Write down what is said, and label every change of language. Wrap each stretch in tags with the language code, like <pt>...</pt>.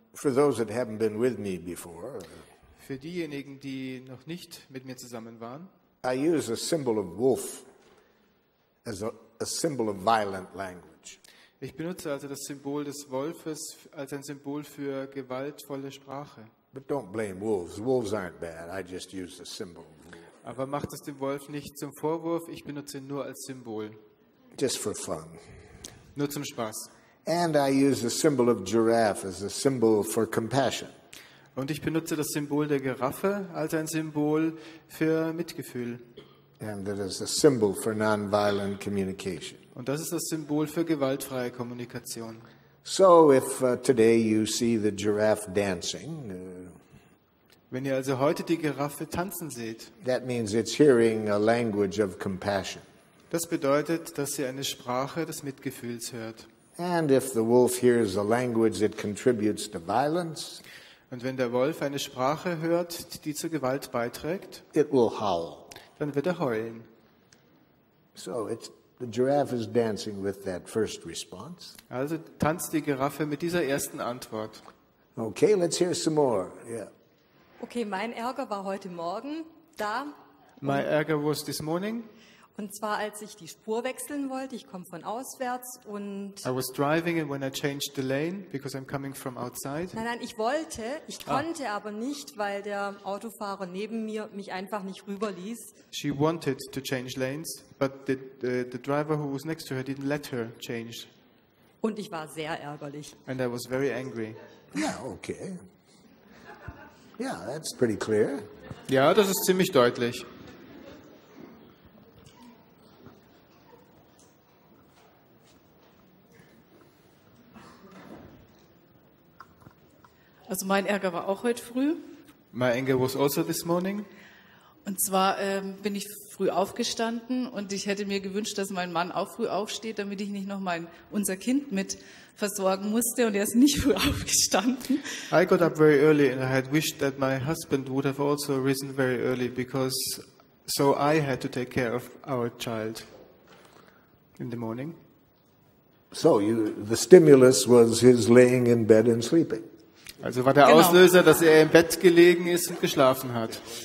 <en>For those that haven't been with me before.</en> <de>Für diejenigen, die noch nicht mit mir zusammen waren.</de> <en>I use a symbol of wolf as a symbol of violent language.</en> <de>Ich benutze also das Symbol des Wolfes als ein Symbol für gewaltvolle Sprache.</de> <en>But don't blame wolves. Wolves aren't bad. I just use the symbol.</en> <de>Aber macht es dem Wolf nicht zum Vorwurf. Ich benutze ihn nur als Symbol.</de> <en>Just for fun.</en> <de>Nur zum Spaß.</de> <en>And I use the symbol of giraffe as a symbol for compassion.</en> <de>Und ich benutze das Symbol der Giraffe als ein Symbol für Mitgefühl.</de> <en>And that is a symbol for non-violent communication.</en> <de>Und das ist das Symbol für gewaltfreie Kommunikation.</de> <en>So if today you see the giraffe dancing,</en> <de>wenn ihr also heute die Giraffe tanzen seht,</de> <en>that means it's hearing a language of compassion.</en> <de>Das bedeutet, dass sie eine Sprache des Mitgefühls hört.</de> <en>And if the wolf hears a language that contributes to violence,</en> <de>und wenn der Wolf eine Sprache hört, die zur Gewalt beiträgt,</de> <en>it will howl.</en> <de>Dann wird er heulen.</de> <en>So it's, the giraffe is dancing with that first response.</en> <de>Also tanzt die Giraffe mit dieser ersten Antwort.</de> <en>Okay, let's hear some more. Yeah.</en> <de>Okay, mein Ärger war heute Morgen da.</de> <en>My anger was this morning.</en> <de>Und zwar, als ich die Spur wechseln wollte. Ich komme von auswärts und...</de> <en>I was driving and when I changed the lane, because I'm coming from outside.</en> <de>Nein, ich wollte, ich konnte aber nicht, weil der Autofahrer neben mir mich einfach nicht rüberließ.</de> <en>She wanted to change lanes, but the driver who was next to her didn't let her change.</en> <de>Und ich war sehr ärgerlich.</de> <en>And I was very angry. Yeah, okay. Yeah, that's pretty clear.</en> <de>Ja, das ist ziemlich deutlich. Also mein Ärger war auch heute früh.</de> <en>My anger was also this morning.</en> <de>Und zwar bin ich früh aufgestanden und ich hätte mir gewünscht, dass mein Mann auch früh aufsteht, damit ich nicht noch unser Kind mit versorgen musste und er ist nicht früh aufgestanden.</de> <en>I got up very early and I had wished that my husband would have also risen very early because so I had to take care of our child in the morning. So the stimulus was his laying in bed and sleeping.</en> <de>Also war der genau. Auslöser, dass er im Bett gelegen ist und geschlafen hat.</de>